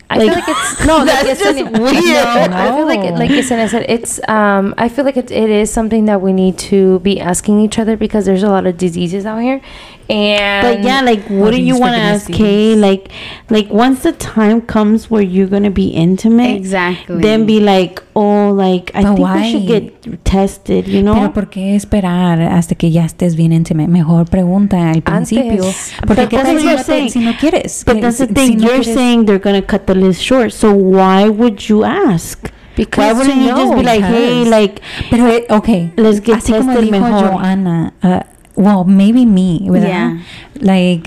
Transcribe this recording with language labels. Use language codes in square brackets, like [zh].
[en] I feel like it is something that we need to be asking each other, because there's a lot of diseases out here. And but yeah, like, wouldn't you want to ask Kay, like once the time comes where you're gonna be intimate, exactly, then be like, oh, like, I think we should get tested, you know? [es] Pero por qué esperar hasta que ya estés bien intimate? Mejor pregunta al principio. [en] But that's the thing, you're saying they're gonna cut the list short, so why would you ask? Because why wouldn't you just be like, hey, like, [es] pero, okay, [en] let's get tested mejor. Well, maybe me, right? Yeah. Like,